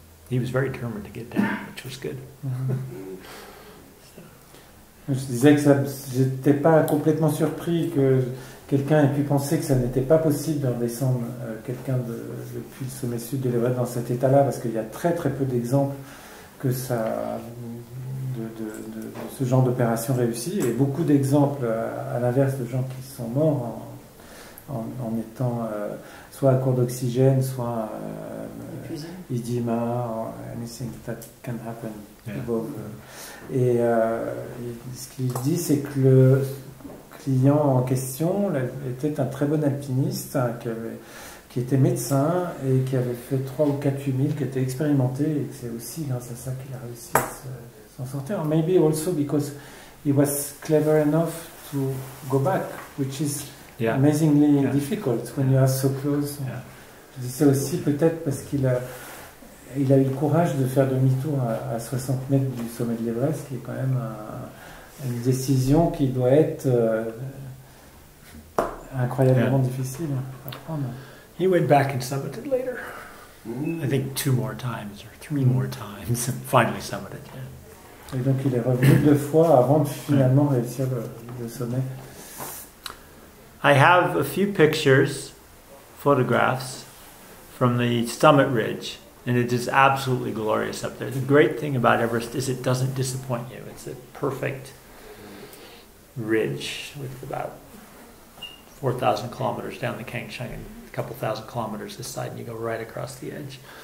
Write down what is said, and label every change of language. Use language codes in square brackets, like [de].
[en] He was very determined to get down, which was good. Mm-hmm. So. [fr] Je disais que j'étais pas complètement surpris que quelqu'un ait pu penser que ça n'était pas possible de redescendre quelqu'un depuis le sommet sud de l'Everest dans cet état-là, parce qu'il y a très très peu d'exemples que ça. De ce genre d'opération réussie, et beaucoup d'exemples à l'inverse de gens qui sont morts en étant soit à court d'oxygène, soit idima, [en] anything that can happen above. Yeah. [fr] Et ce qu'il dit, c'est que le client en question était un très bon alpiniste qui était médecin et qui avait fait 3 ou 4 8 000, qui était expérimenté, et que c'est aussi grâce à ça qu'il a réussi à se. [en] Or maybe also because he was clever enough to go back, which is yeah. amazingly yeah. difficult when yeah. you are so close. Yeah. [fr] C'est aussi peut-être parce qu'il a eu le courage de faire demi-tour à 60 mètres du sommet de l'Everest, qui est quand même une décision qui doit être incroyablement yeah. difficile à prendre. [en] He went back and summited later. Mm-hmm. I think 2 more times or 3 mm-hmm. more times, and finally summited. Yeah. [fr] Et donc il est revenu 2 fois avant de finalement réussir le sommet. [en] I have a few pictures, photographs, from the summit ridge, and it is absolutely glorious up there. The great thing about Everest is it doesn't disappoint you. It's a perfect ridge with about 4,000 kilometers down the Kangchung and a couple thousand kilometers this side, and you go right across the edge.